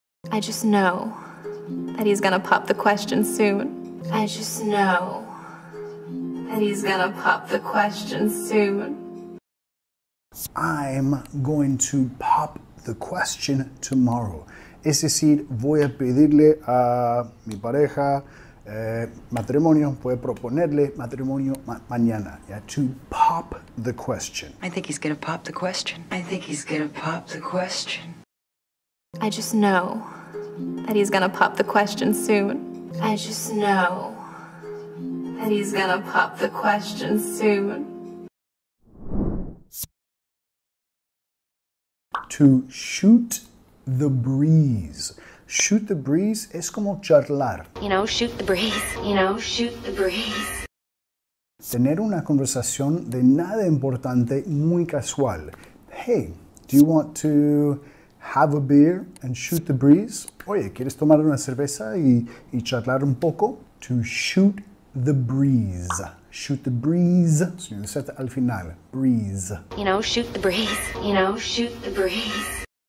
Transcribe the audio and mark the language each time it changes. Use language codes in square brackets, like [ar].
[en] I just know that he's gonna pop the question soon. I just know that he's gonna pop the question soon. I'm going to pop the question tomorrow. [es] Es decir, voy a pedirle a mi pareja matrimonio, puede proponerle matrimonio mañana. [en] Yeah, to pop the question. I think he's gonna pop the question. I think he's gonna pop the question. I just know that he's gonna pop the question soon. I just know that he's gonna pop the question soon. To shoot the breeze. Shoot the breeze [es] es como charlar. [en] You know, shoot the breeze. You know, shoot the breeze. [es] Tener una conversación de nada importante muy casual. [en] Hey, do you want to have a beer and shoot the breeze? [es] Oye, ¿quieres tomar una cerveza y charlar un poco? [en] To shoot the breeze. Shoot the breeze. [es] Se me dice al final. Breeze. [en] You know, shoot the breeze. You know, shoot the breeze.